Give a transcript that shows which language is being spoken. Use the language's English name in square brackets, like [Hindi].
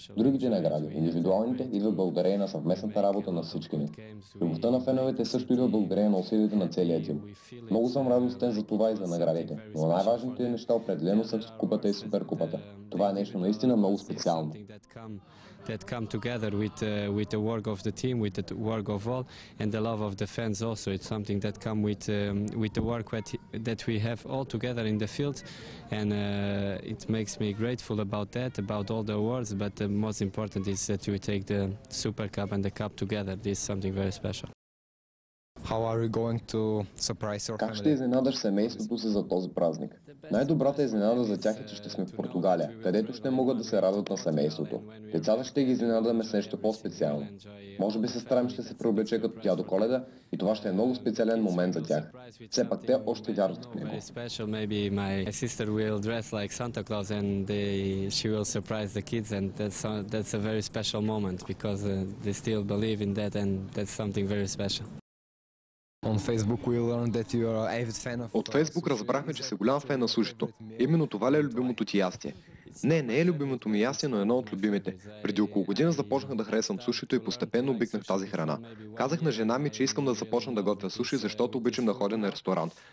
[Bulgarian] Другите награди, индивидуалните, идват благодарение на съвместната работа на всички ни. Любовта на феновете също идва благодарение на усилията на целия тим. Много съм радостен за това и за наградите, но най-важните неща определено са купата и супер купата. Това е нещо наистина много специално. [English] That come together with the work of the team, with the work of all, and the love of the fans also. It's something that come with the work that we have all together in the field, and it makes me grateful about that, about all the awards. But the most important is that we take the Super Cup and the Cup together. This is something very special. How are you going to surprise your family? [Bulgarian] Как ще изненадаш семейството си за този празник? Най-добрата изненада за тях е, че ще сме в Португалия, където ще могат да се радват на семейството. Децата ще ги изненадаме с нещо по-специално. Може би сестра ми ще се преоблече като тя до Коледа и това ще е много специален момент за тях. Все пак те още вярват в него. [English] Maybe my sister will dress like Santa Claus and she will surprise the kids and that's a very special moment because they still believe in that and that's something very special. [Bulgarian] От Фейсбук разбрахме, че си голям фен на сушито. Именно това ли е любимото ти ястие? Не, не е любимото ми ястие, но едно от любимите. Преди около година започнах да харесвам сушито и постепенно обикнах тази храна. Казах на жена ми, че искам да започна да готвя суши, защото обичам да ходя на ресторант.